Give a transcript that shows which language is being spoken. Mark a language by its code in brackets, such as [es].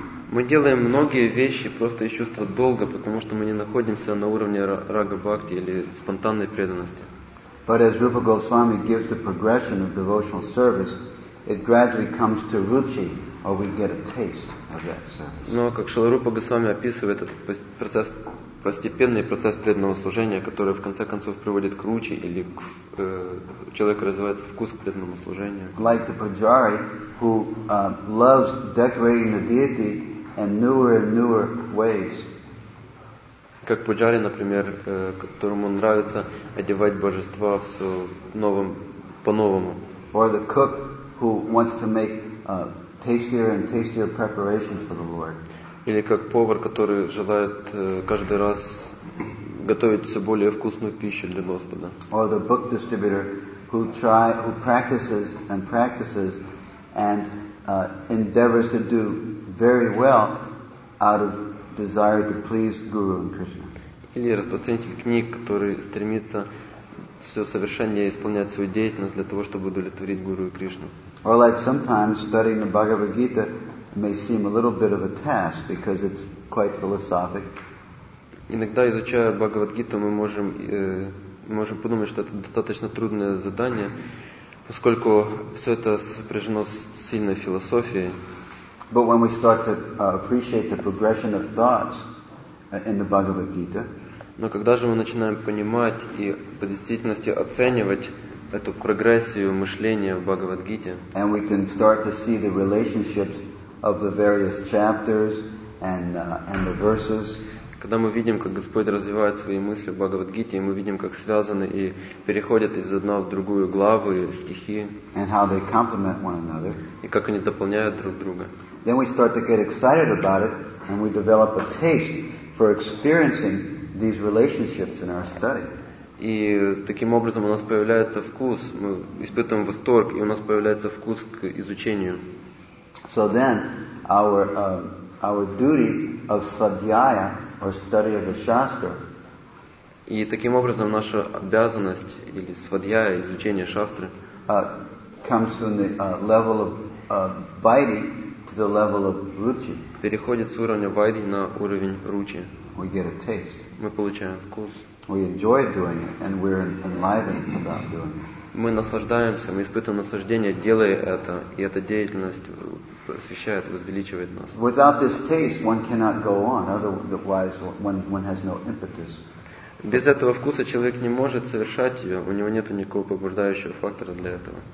[ru] Мы делаем многие вещи просто из чувства долга, потому что мы не находимся на уровне рага бхакти или спонтанной преданности. [en] But as Rupa Goswami gives the progression of devotional service, it gradually comes to ruchi, or we get a taste of that service. [ru] Но как Шрила Рупа Госвами описывает этот процесс, постепенный процесс преданного служения, который в конце концов приводит к ручи или к человеку развивается вкус к преданному служению. [en] Like the pujari who loves decorating the deity in newer and newer ways. [ru] Как пуджари, например, которому нравится одевать божества все новым, по-новому. [en] Or the cook who wants to make tastier and tastier preparations for the Lord. [ru] Или как повар, который желает каждый раз готовить все более вкусную пищу для Господа. [en] Or the book distributor who practices and practices and endeavors to do very well out of desire to please Guru and Krishna. [ru] Или распространитель книг, который стремится все совершеннее исполнять свою деятельность для того, чтобы удовлетворить Гуру и Кришну. [en] Or like sometimes studying the Bhagavad Gita may seem a little bit of a task because it's quite philosophic. [ru] Иногда изучая Бхагавад-гиту, мы можем подумать, что это достаточно трудное задание, поскольку все это сопряжено с сильной философией. [en] But when we start to appreciate the progression of thoughts in the Bhagavad Gita, [ru] но когда же мы начинаем понимать и по действительности оценивать эту прогрессию мышления в Бхагавад-гите, [en] and we can start to see the relationships of the various chapters and the verses. [ru] Когда мы видим, как Господь развивает свои мысли в Бхагавад-гите, и мы видим, как связаны и переходят из одной в другую главы, стихи, [en] and how they complement one another, [ru] и как они дополняют друг друга, [en] then we start to get excited about it, and we develop a taste for experiencing these relationships in our study. [ru] И таким образом у нас появляется вкус, мы испытываем восторг, и у нас появляется вкус к изучению. [en] So then, our duty of sadhyaya, or study of the shastra. [ru] И таким образом наша обязанность или свадьяя изучение шастры [en] comes from the level of vaidhi to the level of ruchi. [ru] Переходит с уровня вайди на уровень ручи. [en] We get a taste. [ru] Мы получаем вкус. [en] We enjoy doing it, and we're enlivened about doing it. [ru] Мы наслаждаемся, мы испытываем наслаждение, делая это, и эта деятельность просвещает, возвеличивает нас. [en] Without this taste, one cannot go on. Otherwise, one has no impetus. [ru] Без этого вкуса человек не может совершать ее, у него нет никакого побуждающего фактора для этого.